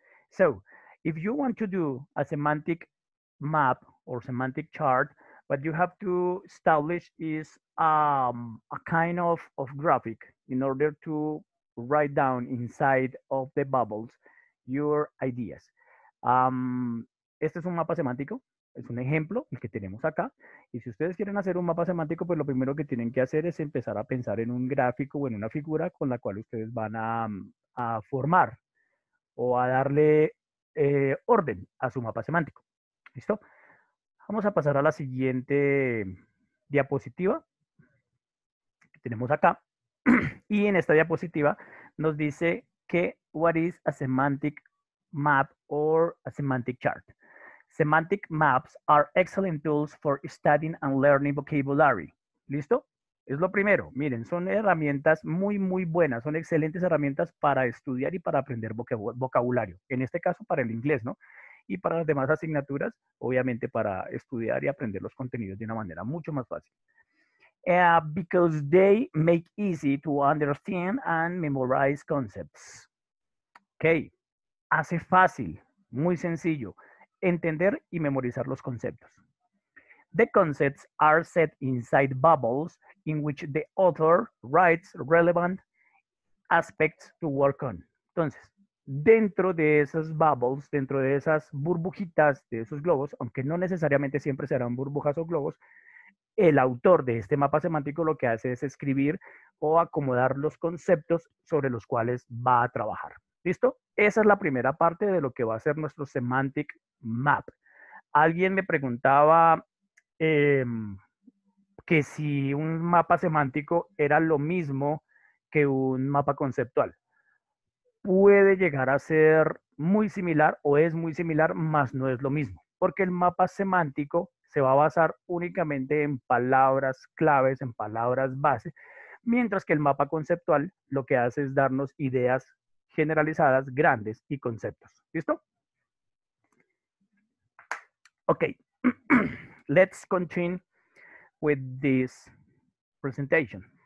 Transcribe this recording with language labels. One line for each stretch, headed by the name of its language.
English: So if you want to do a semantic map or semantic chart, what you have to establish is a kind of graphic in order to write down inside of the bubbles your ideas.
Spanish: Este es un mapa semántico. Es un ejemplo, el que tenemos acá. Y si ustedes quieren hacer un mapa semántico, pues lo primero que tienen que hacer es empezar a pensar en un gráfico o en una figura con la cual ustedes van a formar o a darle orden a su mapa semántico. ¿Listo? Vamos a pasar a la siguiente diapositiva que tenemos acá. Y en esta diapositiva nos dice que
English: what is a semantic map or a semantic chart. Semantic maps are excellent tools for studying and learning vocabulary.
Spanish: ¿Listo? Es lo primero. Miren, son herramientas muy, muy buenas. Son excelentes herramientas para estudiar y para aprender vocabulario. En este caso, para el inglés, ¿no? Y para las demás asignaturas, obviamente, para estudiar y aprender los contenidos de una manera mucho más fácil.
English: Because they make easy to understand and memorize concepts.
Spanish: Ok. Hace fácil. Muy sencillo. Entender y memorizar los conceptos.
English: The concepts are set inside bubbles in which the author writes relevant aspects to work on.
Spanish: Entonces, dentro de esas bubbles, dentro de esas burbujitas, de esos globos, aunque no necesariamente siempre serán burbujas o globos, el autor de este mapa semántico lo que hace es escribir o acomodar los conceptos sobre los cuales va a trabajar. ¿Listo? Esa es la primera parte de lo que va a ser nuestro semantic map. Alguien me preguntaba que si un mapa semántico era lo mismo que un mapa conceptual. Puede llegar a ser muy similar o es muy similar, mas no es lo mismo. Porque el mapa semántico se va a basar únicamente en palabras claves, en palabras base, mientras que el mapa conceptual lo que hace es darnos ideas generalizadas, grandes y conceptos. ¿Listo? Ok.
English: Let's continue with this presentation.